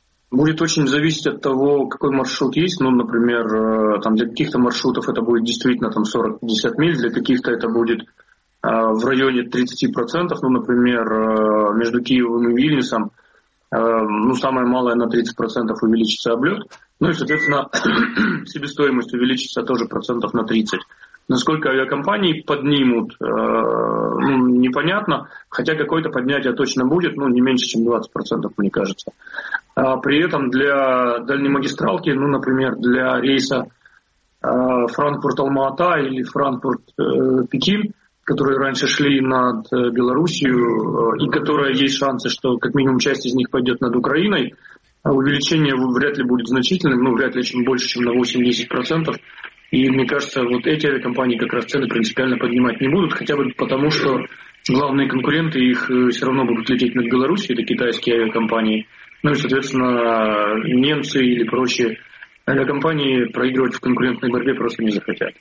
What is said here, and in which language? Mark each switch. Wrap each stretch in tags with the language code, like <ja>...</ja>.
<uk>Буде дуже залежати від того, який маршрут є. Ну, наприклад, там для якихось маршрутів це буде дійсно там 40-50 миль, для якихось це буде в районі 30%, ну, наприклад, між Києвом і Вільнюсом, ну, саме мало на 30% увеличиться обльот, ну, і, відповідно, себестоїмость увеличиться теж процентів на 30%.</uk> <ru>Насколько авиакомпании поднимут, непонятно. Хотя какое-то поднятие точно будет, ну, не меньше, чем 20%, мне кажется. А при этом для дальнемагистралки, ну, например, для рейса Франкфурт-Алма-Ата или Франкфурт-Пекин, которые раньше шли над Белоруссию, и которые есть шансы, что как минимум часть из них пойдет над Украиной, увеличение вряд ли будет значительным, ну, вряд ли чем больше, чем на 8-10%. И мне кажется, вот эти авиакомпании как раз цены принципиально поднимать не будут, хотя бы потому, что главные конкуренты их все равно будут лететь над Белоруссией, это китайские авиакомпании. Ну и, соответственно, немцы или прочие</ru> <uk>авіакомпанії проігрують в конкурентній боротьбі просто не захотять.</uk>